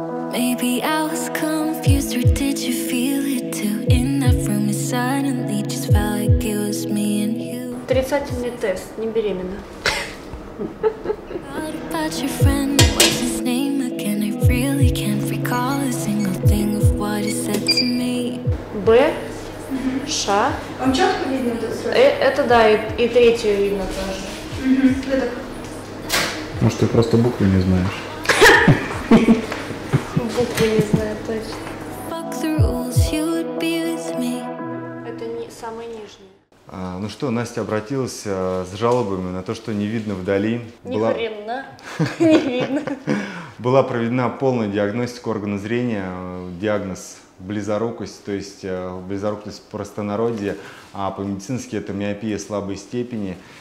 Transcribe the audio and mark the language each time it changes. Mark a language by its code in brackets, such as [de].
[en] Maybe I was confused, or did you feel it too? In that room, it suddenly just felt like it was me and you. [ru] Отрицательный тест, не беременна. [en] About your friend, what's his name again? I really can't recall a single thing of what he said to me. [ru] Б, Ш. Вам четко видно это? Это да, и третью видно тоже. Может, ты просто буквы не знаешь? Буквы не знаю точно. [en] Fuck the rules, you would be with me. [ru] Это не самый нижний. Ну что, Настя обратилась с жалобами на то, что не видно вдали. Нихренно. Не видно. Была проведена полная диагностика органа зрения. Диагноз близорукость, то есть близорукость в простонародье, а по-медицински это миопия слабой степени.